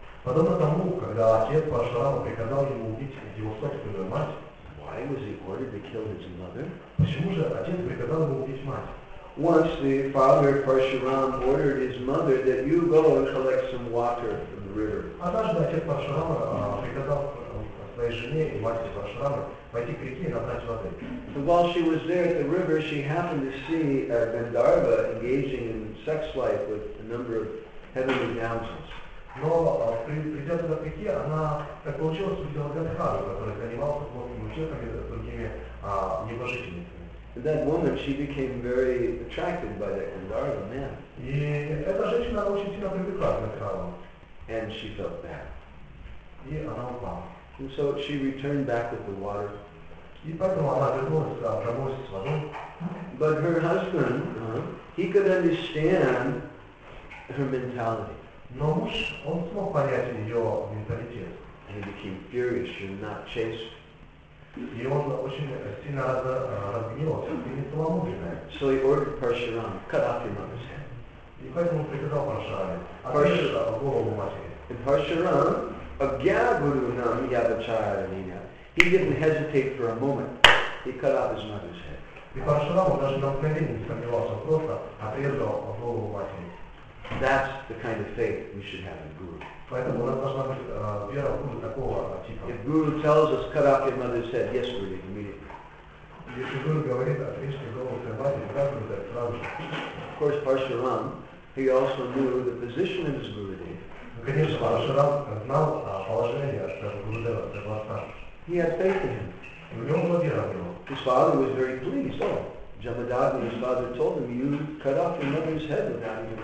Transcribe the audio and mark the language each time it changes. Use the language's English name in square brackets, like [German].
[Russian] подобно тому, когда отец Парашурама приказал ему убить его собственную мать, [English] why was he ordered to kill his mother? [Russian] Почему же отец приказал ему убить мать? [English] Once the father Parashuram ordered his mother that you go and collect some water from the river. [Russian] Однажды отец Парашурама приказал своей жене и матери Парашурама пойти к реке и набрать воды. [English] So while she was there at the river, she happened to see Gandharva engaging in sex life with a number of heavenly damsels. [Russian] Но придя туда к реке, она так получилось, увидела Гандхару, который занимался плотными учетами с другими небожительницами. И эта женщина очень сильно привлекла к Гандхару. [English] And she felt bad. [Russian] И она упала. [English] And so she returned back with the water. [Russian] И потом она вернулась домой с водой. [English] But her husband, he could understand her mentality. [Russian] Но муж, он смог понять ее менталитет. [English] And he became furious, you're not chaste. [Russian] И он очень сильно разгневался, не целомудренный. [English] So he ordered Parashuram, cut off your mother's head. [Russian] И поэтому приказал Парашураме, отрежь голову матери. [English] And Parashuram, Abhyagurunam Yavacharaniya, he didn't hesitate for a moment. He cut off his mother's head. [Russian] И Парашураму даже на мгновение не сомневался, просто отрезал голову матери. [English] That's the kind of faith we should have in Guru. [Russian] Поэтому у нас должна быть вера в Гуру такого типа. [English] If Guru tells us, cut off your mother's head, yes, Guru, immediately. [Russian] Если Гуру говорит, отрежьте голову своей матери, да, Гуру, да, сразу же. [English] Of course, Parashuram, he also knew the position of his Gurudev. [Russian] Конечно, Парашурам знал положение, что Гурудев согласен. [English] He had faith in him. [Russian] У него была вера в него. [English] His father was very pleased. Oh. Jamadagni, his father, told him, you cut off your mother's head without even